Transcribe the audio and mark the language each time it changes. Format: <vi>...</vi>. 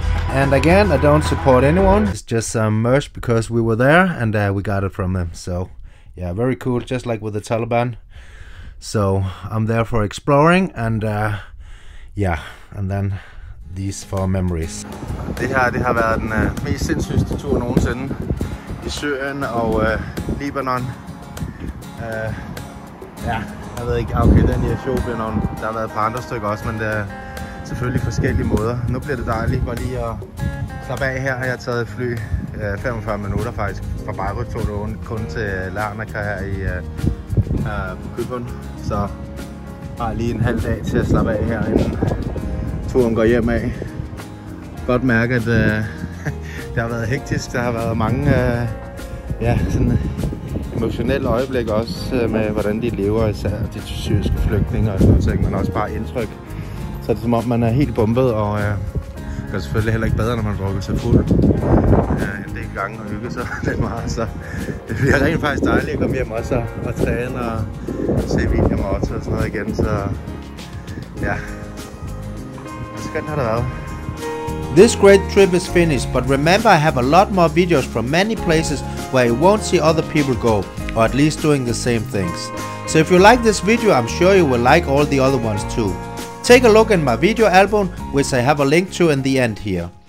<en>And again, I don't support anyone. It's just some merch because we were there and we got it from them. So yeah, very cool, just like with the Taliban. So I'm there for exploring and yeah, and then these for memories.</en> <da>Det her, det har været den mest sindssyge tur nogensinde. I Syrien og Libanon. Ja, jeg ved ikke, okay, den i Etiopien, og der har været et par andre stykker også, men det er selvfølgelig forskellige måder. Nu bliver det dejligt bare lige at slappe af her. Jeg har taget fly 45 minutter faktisk fra Beirut, tog det rundt, kun til Larnaca her i Kypern. Så har lige en halv dag til at slappe af her, inden turen går hjem af. Godt mærke, at det har været hektisk. Der har været mange ja, sådan emotionelle øjeblik også med, hvordan de lever, især de syriske flygtninge og sådan ting, men også bare indtryk. Så det er som om, man er helt bumpet, og det gør selvfølgelig heller ikke bedre, når man drukker sig fuld en del gange og hygge sig lidt meget. Så det bliver rent faktisk dejligt at komme hjem også og træne og se William og Otto og sådan noget igen. Så ja, skønt har det været.</da> <en>This great trip is finished, but remember I have a lot more videos from many places where you won't see other people go, or at least doing the same things. So if you like this video, I'm sure you will like all the other ones too. Take a look in my video album, which I have a link to in the end here.</en>